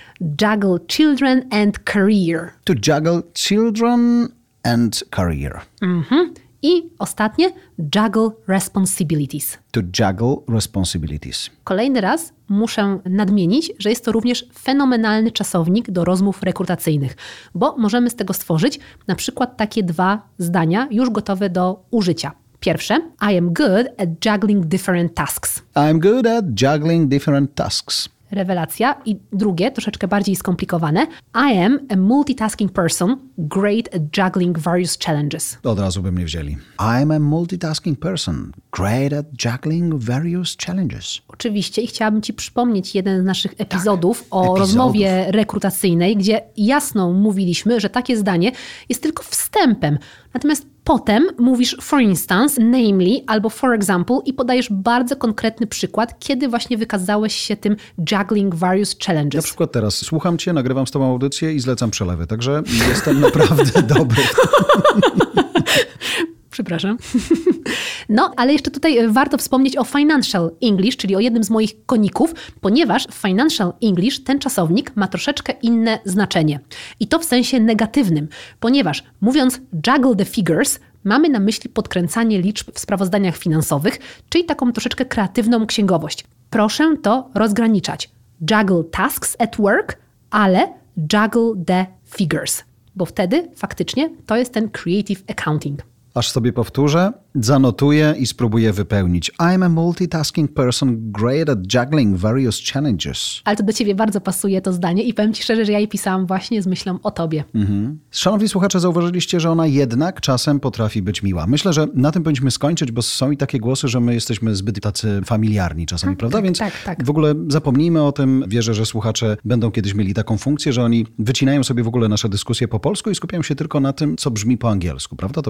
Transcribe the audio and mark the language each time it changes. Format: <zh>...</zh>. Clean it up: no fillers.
<en>Juggle children and career. To juggle children and career.</en> <pl>Mm-hmm. I ostatnie.</pl> <en>Juggle responsibilities. To juggle responsibilities.</en> <pl>Kolejny raz muszę nadmienić, że jest to również fenomenalny czasownik do rozmów rekrutacyjnych, bo możemy z tego stworzyć na przykład takie dwa zdania już gotowe do użycia. Pierwsze,</pl> <en>I am good at juggling different tasks. I am good at juggling different tasks.</en> <pl>Rewelacja. I drugie, troszeczkę bardziej skomplikowane,</pl> <en>I am a multitasking person, great at juggling various challenges.</en> <pl>Od razu by mnie wzięli.</pl> <en>I am a multitasking person, great at juggling various challenges.</en> <pl>Oczywiście. I chciałabym ci przypomnieć jeden z naszych epizodów rozmowie rekrutacyjnej, gdzie jasno mówiliśmy, że takie zdanie jest tylko wstępem. Natomiast potem mówisz</pl> <en>for instance, namely</en> <pl>albo</pl> <en>for example</en> <pl>i podajesz bardzo konkretny przykład, kiedy właśnie wykazałeś się tym</pl> <en>juggling various challenges.</en> <pl>Na przykład teraz słucham cię, nagrywam z tobą audycję i zlecam przelewy, także jestem naprawdę dobry. Przepraszam. No, ale jeszcze tutaj warto wspomnieć o financial English, czyli o jednym z moich koników, ponieważ w financial English ten czasownik ma troszeczkę inne znaczenie. I to w sensie negatywnym, ponieważ mówiąc</pl> <en>juggle the figures,</en> <pl>mamy na myśli podkręcanie liczb w sprawozdaniach finansowych, czyli taką troszeczkę kreatywną księgowość. Proszę to rozgraniczać.</pl> <en>Juggle tasks at work,</en> <pl>ale</pl> <en>juggle the figures,</en> <pl>bo wtedy faktycznie to jest ten</pl> <en>creative accounting.</en> <pl>Aż sobie powtórzę, zanotuję i spróbuję wypełnić.</pl> <en>I'm a multitasking person great at juggling various challenges.</en> <pl>Ale to do ciebie bardzo pasuje to zdanie i powiem ci szczerze, że ja je pisałam właśnie z myślą o tobie. Mhm. Szanowni słuchacze, zauważyliście, że ona jednak czasem potrafi być miła. Myślę, że na tym powinniśmy skończyć, bo są i takie głosy, że my jesteśmy zbyt tacy familiarni czasami, prawda? Tak, więc tak, tak. W ogóle zapomnijmy o tym. Wierzę, że słuchacze będą kiedyś mieli taką funkcję, że oni wycinają sobie w ogóle nasze dyskusje po polsku i skupiają się tylko na tym, co brzmi po angielsku, prawda?</pl>